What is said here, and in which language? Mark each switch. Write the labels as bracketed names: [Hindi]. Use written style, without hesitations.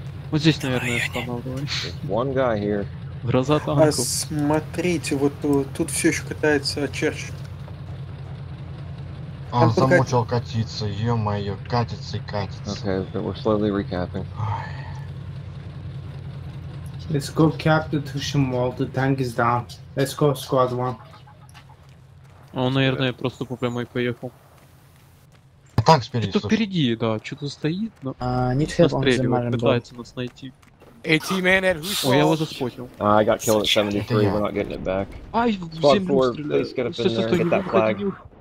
[Russian] Вот здесь, наверное, останавливаем. [English] One guy here. [Russian] Гроза танков. А, смотрите, вот тут все еще катается Черч. Он пока... замучил катиться, ё-моё, катится и катится. [English] Окей, okay, but we're slowly recapping. Let's go cap the Tushin wall, the tank is down. Let's go, squad one. [Russian] Он, наверное, просто по прямой поехал. А танк спереди, что-то впереди, да, что-то стоит, но... [English] Need help on the Marine [Russian] Ball. Пытается нас найти. [English] 18 man at who's [Russian] oh, я его заспотил. [English] I got killed at 73, we're not getting it back. [Russian] Ай, в землю стреляю. [English] Squad 4, please get up in there and get that flag.